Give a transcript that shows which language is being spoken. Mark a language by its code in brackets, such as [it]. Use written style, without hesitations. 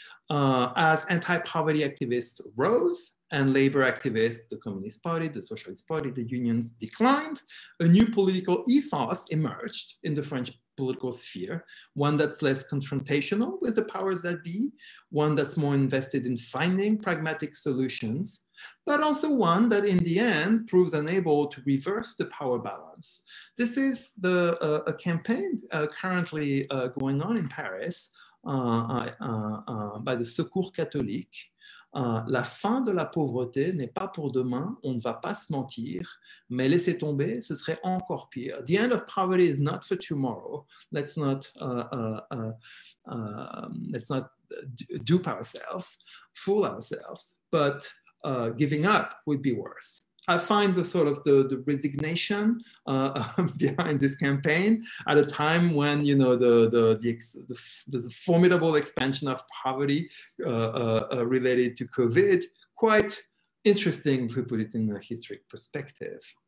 [en] As anti-poverty activists rose and labor activists, the Communist Party, the Socialist Party, the unions declined, a new political ethos emerged in the French political sphere, one that's less confrontational with the powers that be, one that's more invested in finding pragmatic solutions, but also one that in the end proves unable to reverse the power balance. This is the a campaign currently going on in Paris by the Secours Catholique. [fr] La fin de la pauvreté n'est pas pour demain, on ne va pas se mentir, mais laisser tomber, ce serait encore pire. [en] The end of poverty is not for tomorrow. Let's not fool ourselves, but giving up would be worse. I find the sort of the resignation behind this campaign at a time when the formidable expansion of poverty related to COVID, quite interesting if we put it in a historic perspective.